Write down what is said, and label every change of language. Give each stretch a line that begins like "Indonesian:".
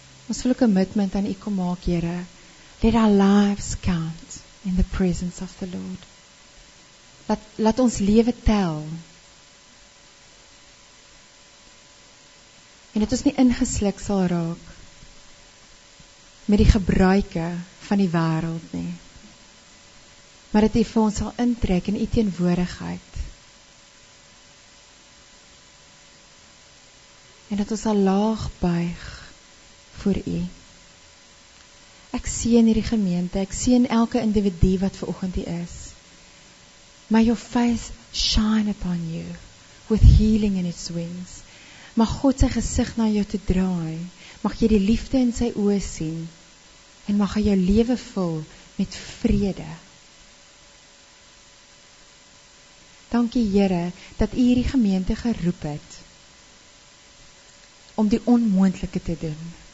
Afrikaans: Ons wil 'n commitment aan u kom maak, Here.
English: Let our lives count in the presence of the Lord.
Afrikaans: Laat ons lewe tel. En dat ons nie ingesluk sal raak met die gebruike van die wêreld nie. Maar dat u vir ons sal intrek in u teenwoordigheid. En dat ons sal laag buig voor u. Ek seën hierdie gemeente, ek seën elke individu wat vanoggend hier is.
English: May your face shine upon you with healing in its wings.
Afrikaans: Mag God sy gesig na jou te draai, mag jy die liefde in sy oë sien, en mag hy jou lewe vul met vrede. Dankie Here, dat u hierdie gemeente geroep het, om die onmoontlike te doen.